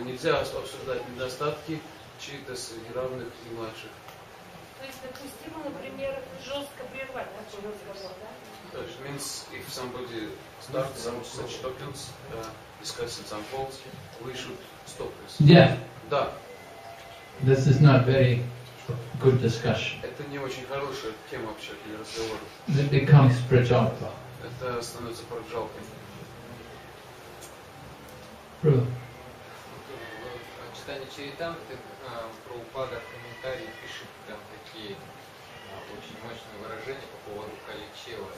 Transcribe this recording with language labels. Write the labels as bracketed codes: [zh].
[ru] Нельзя обсуждать недостатки чьих-то неравных и младших. То есть, допустим, например, жестко прервать такой разговор, да? [en] It means if somebody starts such topics, discussing some faults, we should stop this. Yeah. Да. This is not very good discussion. [ru] Это не очень хорошая тема вообще для разговора. [en] It becomes prajalpa. [ru] Это становится праджалпой. В читании Чаритамриты Прабхупада в комментарии пишет там такие очень мощные выражения по поводу Кали-Чева.